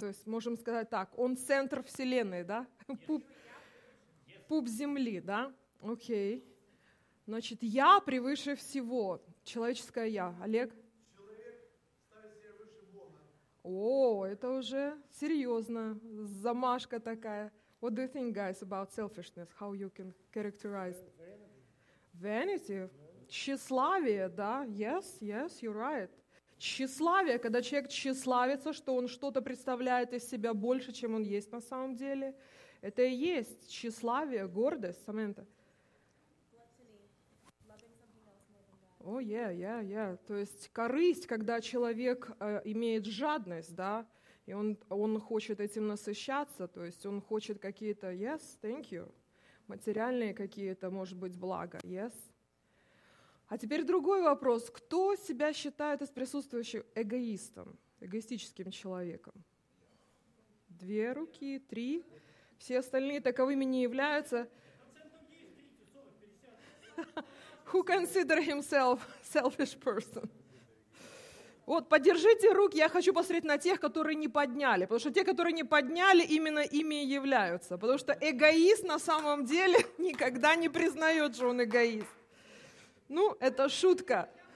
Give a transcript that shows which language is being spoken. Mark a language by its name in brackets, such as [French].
[Russian] То есть можем сказать так, он центр вселенной, да? Пуп земли, да? Окей. Значит, я превыше всего, человеческое я. Олег? О, это уже серьезно, замашка такая. [English] What do you think, guys, about selfishness? How you can characterize? Vanity? [Russian] Тщеславие, да? [English] Yes, yes, you're right. [Russian] Тщеславие, когда человек тщеславится, что он что-то представляет из себя больше, чем он есть на самом деле. Это и есть тщеславие, гордость. Саманта? То есть корысть, когда человек имеет жадность, да, и он хочет этим насыщаться, то есть он хочет какие-то, [English] yes, thank you, [Russian] материальные какие-то, может быть, блага, yes. А теперь другой вопрос. Кто себя считает из присутствующих эгоистом, эгоистическим человеком? Две руки, три. Все остальные таковыми не являются. [English] Who consider himself selfish person? [Russian] Вот, подержите руки, я хочу посмотреть на тех, которые не подняли, потому что те, которые не подняли, именно ими и являются, потому что эгоист на самом деле никогда не признает, что он эгоист. Ну, это шутка.